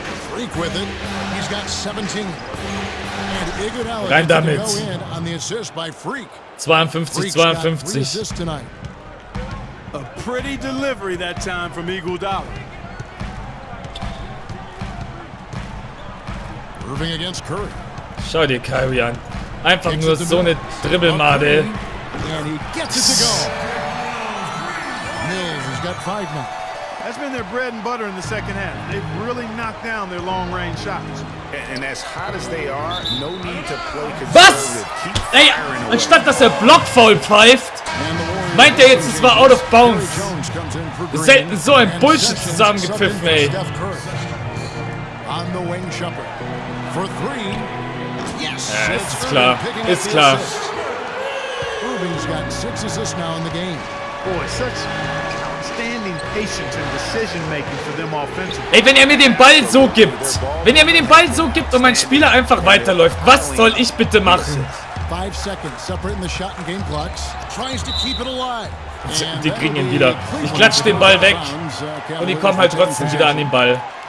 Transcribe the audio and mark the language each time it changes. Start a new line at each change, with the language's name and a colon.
English: Freak with it. He's got 17. And Iguodala
German: rein damit.
English: Go in on the assist by Freak. 52-52. Freak's got 3 assists tonight. A pretty delivery that time from Iguodala. Irving against Curry.
German: Schau dir Kyrie an. Einfach nur so eine Dribbelmade.
English: And he gets it to go. Mills has got 5 now. That's been their bread and butter in the second half. They've really knocked down their long range shots. And as hot as they are, no need to play.
German: Was? Ey, anstatt dass er Blockfoul pfeift, meint er jetzt, es war
English: out of bounds.
German: Selten so ein Bullshit zusammengepfiffen, ey.
English: On the wing, Shumpert. For three. Yes, it's klar. It's klar. Irving's got 6 assists now in the game. Boy, such outstanding patience and decision making for them offensively.
German: Ey, wenn er mir den Ball so gibt und mein Spieler einfach weiterläuft, was soll ich bitte machen?
English: 5 seconds separating the shot and game clocks. Tries to keep it alive.
German: Die kriegen ihn wieder. Ich klatsche den Ball weg und die kommen halt trotzdem wieder an den Ball.